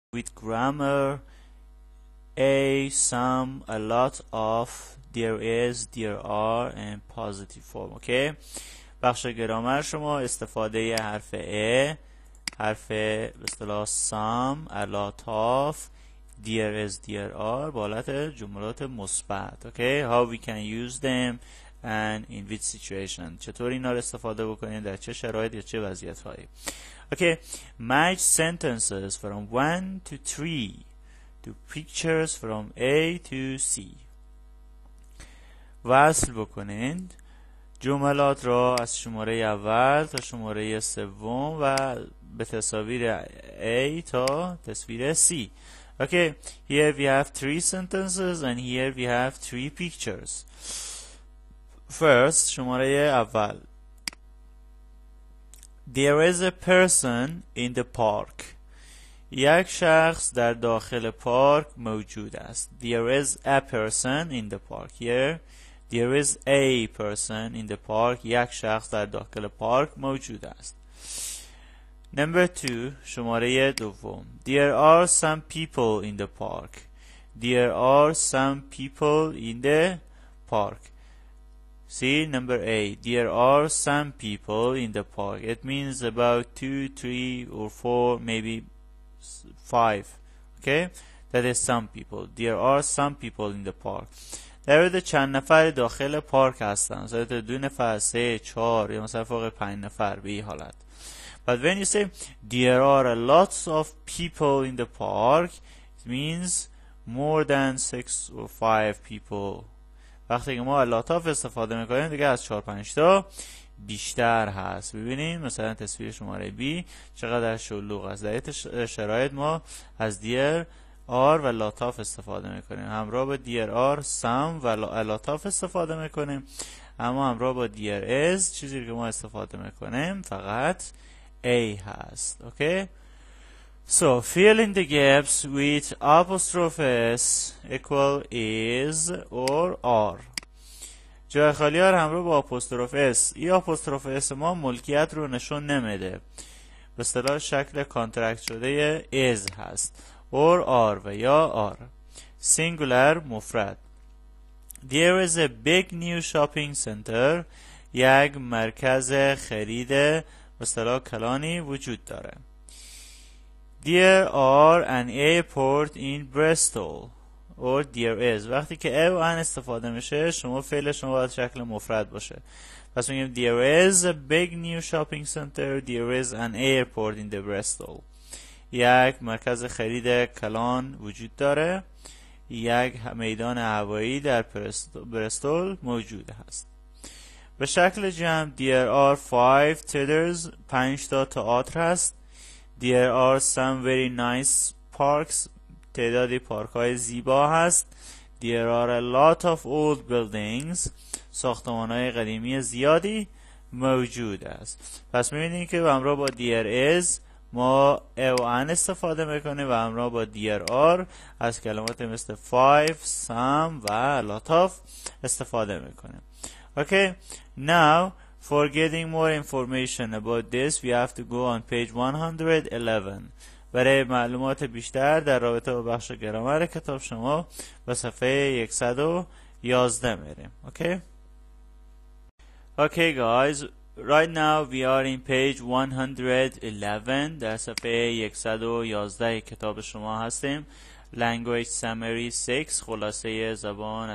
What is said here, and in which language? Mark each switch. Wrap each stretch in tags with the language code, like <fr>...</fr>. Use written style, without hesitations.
<en>with grammar, a, some, a lot of, there is, there are, and positive form. Okay.</en> <fa>بخش گرامر شما استفاده حرف a, حرف به اصطلاح some, a lot of, there is, there are, به حالت جملات مثبت.</fa> <en>Okay. How we can use them and in which situation.</en> <fa>چطور اینا رو استفاده بکنیم در چه شرایط یا چه وضعیت هایی.</fa> <en>Okay. Match sentences from 1 to 3 to pictures from A to C.</en> <fa>وصل بکنید جملات را از شماره اول تا شماره سوم و به تصاویر A تا تصویر C.</fa> <en>Okay, here we have 3 sentences and here we have 3 pictures. First,</en> <fa>شماره اول.</fa> <en>There is a person in the park.</en> <fa>یک شخص در داخل پارک موجود است.</fa> <en>There is a person in the park. Here, there is a person in the park.</en> <fa>یک شخص در داخل پارک موجود است.</fa> <en>Number 2,</en> <fa>شماره دوم.</fa> <en>There are some people in the park. There are some people in the park. See, number A. There are some people in the park. It means about 2, 3, or 4, maybe 5. Okay? That is some people. There are some people in the park.</en> <fa>در حد چند نفر داخل پارک هستن. مثلا 2 نفر، 3، 4 یا مثلا فوق 5 نفر به این حالت.</fa> <en>But when you say there are a lot of people in the park, it means more than 6 or 5 people.</en> <fa>وقتی که ما a lot of استفاده میکنیم دیگه از 4-5 تا بیشتر هست. ببینیم مثلا تصویر شماره B چقدر شلوغ است. در شرایط ما از there are و lot of استفاده میکنیم. همراه با there are some و a lot of استفاده میکنیم. اما همراه با there is چیزی که ما استفاده میکنیم فقط A هست.</fa> <en>Okay? So, fill in the gaps with apostrophes equal is or are.</en> <fa>جای خالی ها رو همراه با apostrophes. ای apostrophes ما ملکیت رو نشون نمیده. به اصطلاح شکل کانترکت شده is هست.</fa> <en>Or are</en> <fa>و یا</fa> <en>are. Singular</en> <fa>مفرد.</fa> <en>There is a big new shopping center.</en> <fa>یک مرکز خرید به اصطلاح کلانی وجود داره.</fa> <en>There are an airport in Bristol or there is.</en> <fa>وقتی که ا و ان استفاده میشه شما فعل شما باید شکل مفرد باشه. پس میگیم</fa> <en>there is a big new shopping center, there is an airport in the Bristol.</en> <fa>یک مرکز خرید کلان وجود داره. یک میدان هوایی در بریستول موجود هست. به شکل جمع</fa> <en>there are</en> <fa>5 theaters, 5 تا تئاتر هست.</fa> <en>There are some very nice parks.</en> <fa>تعدادی پارک های زیبا هست.</fa> <en>There are a lot of old buildings.</en> <fa>ساختمان های قدیمی زیادی موجود است. پس میبینید که همراه با there is ما an استفاده میکنه و همراه با there are از کلمات مثل five, some و a lot of استفاده میکنه.</fa> <en>Okay, now for getting more information about this, we have to go on page 111.</en> <fa>برای معلومات بیشتر در رابطه با بخش گرامر کتاب شما به صفحه 111 میریم.</fa> <en>Okay, guys, right now we are in page 111.</en> <fa>در صفحه 111 کتاب شما هستیم. Language Summary 6, خلاصه زبان</fa>